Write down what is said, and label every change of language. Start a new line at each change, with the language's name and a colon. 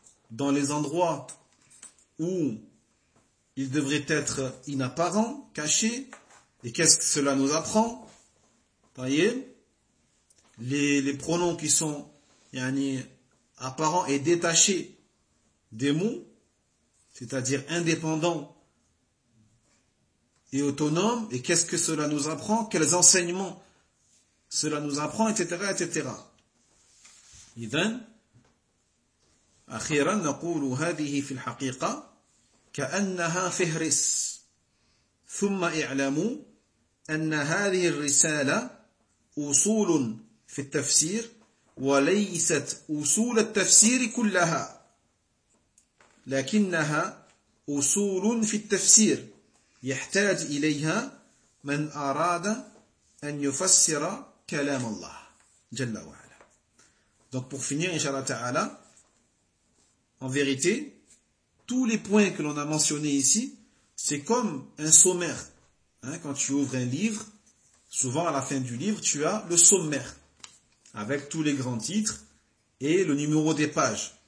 French: dans les endroits où il devrait être inapparent, caché, et qu'est-ce que cela nous apprend, voyez, les pronoms qui sont yani, apparents et détachés des mots, c'est-à-dire indépendants et autonomes, et qu'est-ce que cela nous apprend, quels enseignements cela nous apprend, etc., etc.
Arabic: إذن أخيرا نقول هذه في الحقيقة كأنها فهرس ثم اعلموا أن هذه الرسالة أصول في التفسير وليست أصول التفسير كلها لكنها أصول في التفسير يحتاج إليها من أراد أن يفسر كلام الله جل وعلا.
French: Donc pour finir, Inch'Allah Ta'ala, en vérité, tous les points que l'on a mentionnés ici, c'est comme un sommaire. Quand tu ouvres un livre, souvent à la fin du livre, tu as le sommaire, avec tous les grands titres et le numéro des pages.